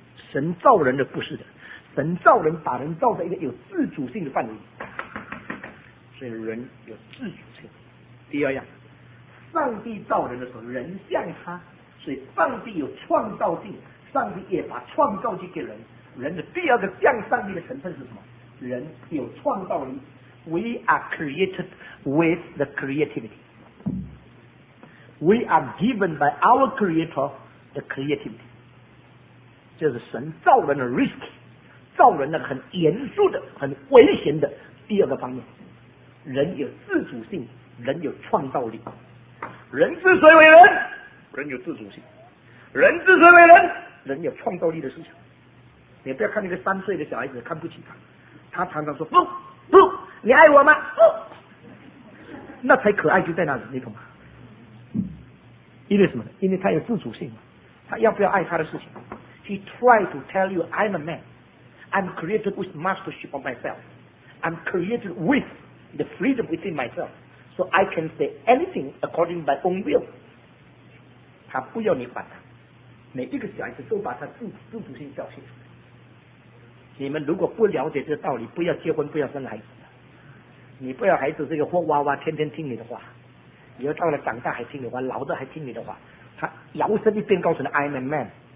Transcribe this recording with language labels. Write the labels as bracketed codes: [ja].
[zh] 神造人的不是的，神造人把人造在一个有自主性的范围，所以人有自主性。第二样，上帝造人的时候，人像他，所以上帝有创造性，上帝也把创造性给人。人的第二个像上帝的成分是什么？人有创造力， [en] We are created with the creativity. We are given by our creator the creativity. [zh] 这是神造人的 risk， 造人的很严肃的、很危险的第二个方面。人有自主性，人有创造力。人之所以为人，人有自主性。人之所以为人，人有创造力的思想。你不要看那个三岁的小孩子看不起他，他常常说不不，你爱我吗？不，那才可爱就在那里，你懂吗？因为什么呢？因为他有自主性，他要不要爱他的事情。 [en] He tried to tell you, I'm a man. I'm created with mastership of myself. I'm created with the freedom within myself. So I can say anything according my own will. [zh] 他不要你管他。每一个小孩子都把他自主性表现出来。你们如果不了解这个道理，不要结婚，不要生孩子。你不要孩子这个活娃娃天天听你的话，以后到了长大还听你的话，老的还听你的话，他摇身一变告诉你 [en] I'm a man。